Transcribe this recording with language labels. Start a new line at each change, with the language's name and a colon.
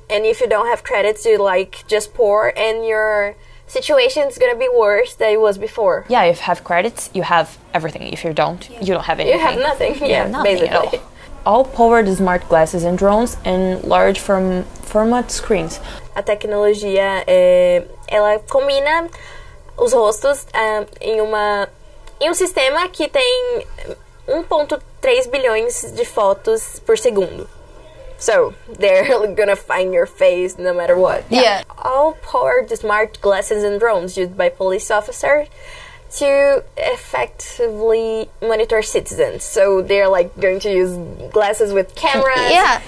English: And if you don't have credits, you're like just poor, and your situation's gonna be worse than it was before. Yeah, if you have credits, you have everything. If you don't, you don't have anything. You have nothing. Yeah, nothing basically. All powered smart glasses and drones and large format screens.
Portuguese: A tecnologia, ela combina os rostos em um sistema que tem 1.3 bilhões de fotos por segundo.
English: So, they're gonna find your face no matter what. Yeah. All powered smart glasses and drones used by police officers to effectively monitor citizens. So they're like going to use glasses with cameras. Yeah.